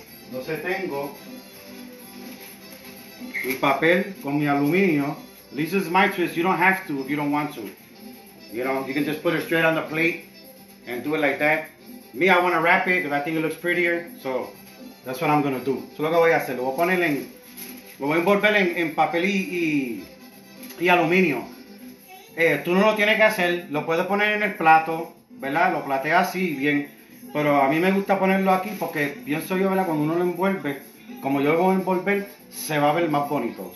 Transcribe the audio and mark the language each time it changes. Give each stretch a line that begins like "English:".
Spanish: No se tengo mi papel con mi aluminio.
English: This is my twist. You don't have to if you don't want to. You know, you can just put it straight on the plate and do it like that. Me, I want to wrap it because I think it looks prettier. So that's what I'm going to do.
Spanish: So lo que voy a hacer, lo voy a poner en, lo voy a envolver en papel y aluminio. Tú no lo tienes que hacer. Lo puedes poner en el plato, ¿verdad? Lo plateas así bien. Pero a mí me gusta ponerlo aquí porque pienso yo, ¿verdad? Cuando uno lo envuelve, como yo lo voy a envolver, se va a ver más bonito.